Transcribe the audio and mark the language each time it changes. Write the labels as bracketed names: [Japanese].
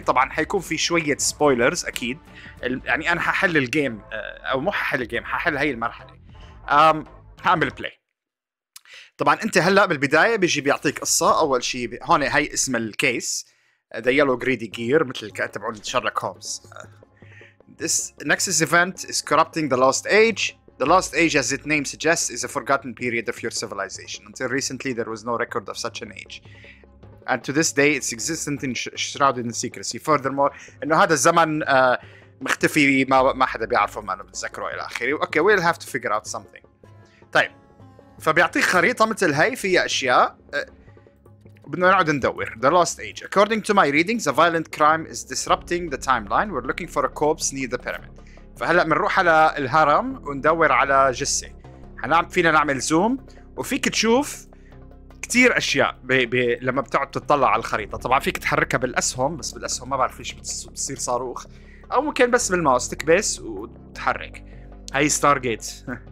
[Arabic] طبعا حيكون في شوية سبويلرز اكيد، يعني انا ححل الجيم، او مو ححل الجيم، ححل هاي المرحلة. هعمل بلاي. طبعا انت هلا بالبدايه بيجي بيعطيك قصه. اول شيء هون هي اسم الكيس، ذا يلو جريدي جير، مثل تبعون شارلوك هومز. [English] This Nexus event is corrupting the Lost Age. The Lost Age, as its name suggests, is a forgotten period of your civilization. Until recently, there was no record of such an age. And to this day, its existence is shrouded in secrecy. Furthermore, [Arabic] انه هذا الزمن مختفي، ما حدا بيعرفه، ما له بتذكره الى اخره. [English] Okay, we'll have to figure out something. [Arabic] طيب فبيعطيك خريطه مثل هي فيها اشياء، بدنا نقعد ندور. [English] The Lost Age. According to my readings, a violent crime is disrupting the timeline. We're looking for a corpse near the pyramid. [Arabic] فهلا بنروح على الهرم وندور على جثه. حنعم فينا نعمل زوم، وفيك تشوف كثير اشياء لما بتقعد تطلع على الخريطه. طبعا فيك تحركها بالاسهم، بس بالاسهم ما بعرف ليش بتصير صاروخ، او ممكن بس بالماوس تكبس وتحرك. هاي ستار جيت.